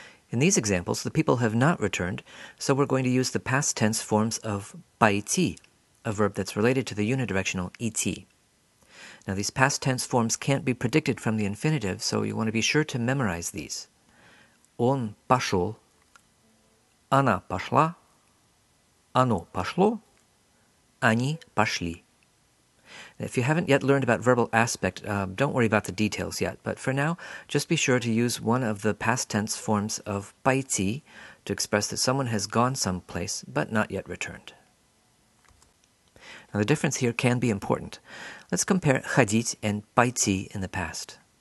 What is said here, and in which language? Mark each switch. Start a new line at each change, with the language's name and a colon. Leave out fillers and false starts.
English: In these examples, the people have not returned, so we're going to use the past tense forms of пойти, a verb that's related to the unidirectional ET. Now, these past tense forms can't be predicted from the infinitive, so you want to be sure to memorize these.
Russian: Он пошел, она пошла, оно пошло, они пошли.
English: If you haven't yet learned about verbal aspect, don't worry about the details yet. But for now, just be sure to use one of the past tense forms of пойти to express that someone has gone someplace but not yet returned. Now, the difference here can be important. Let's compare ходить and пойти in the past.